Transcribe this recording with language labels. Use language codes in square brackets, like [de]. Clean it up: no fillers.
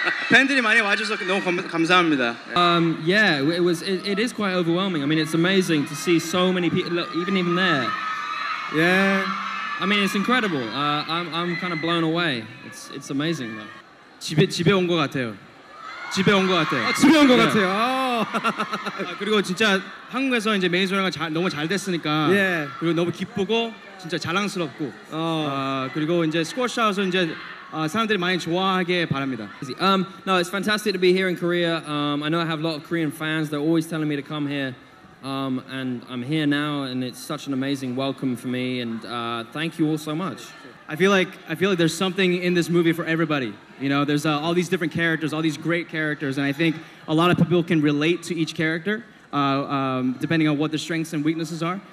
[ko] 팬들이 많이 와줘서 너무 감사합니다. [en] It is quite overwhelming. I mean, it's amazing to see so many people. Look, even there. Yeah. I mean, it's incredible. I'm kind of blown away. It's amazing though. [ko] 집에 온 것 같아요. 집에 온 것 같아요. 아, 집에 온 것 같아요. 아, 그리고 진짜 한국에서 이제 메이즈러너가 너무 잘 됐으니까 그리고 너무 기쁘고 진짜 자랑스럽고 그리고 이제 스쿼시아웃을 이제 사람들이 많이 좋아하게 바랍니다. [en] No, it's fantastic to be here in Korea. I know I have a lot of Korean fans. They're always telling me to come here. And I'm here now, and it's such an amazing welcome for me. And thank you all so much. I feel like there's something in this movie for everybody. You know, there's all these different characters, all these great characters, and I think a lot of people can relate to each character, depending on what the strengths and weaknesses are.